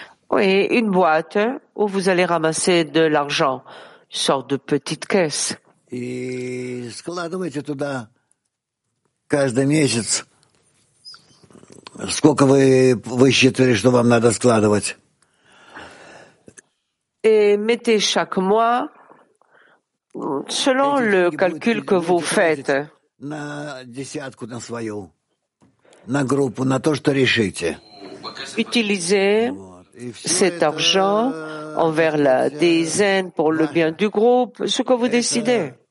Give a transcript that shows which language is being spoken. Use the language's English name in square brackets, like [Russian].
[French] Oui, une boîte où vous allez ramasser de l'argent, une sorte de petite caisse. [Russian] Et складываете туда каждый месяц. Сколько вы считали, что вам надо складывать? [French] Et mettez chaque mois, selon le calcul que vous faites, [Russian] на десятку, на свою, на группу, на то, что решите. [French] Utilisez cet argent envers la dizaine pour le bien du groupe, ce que vous décidez.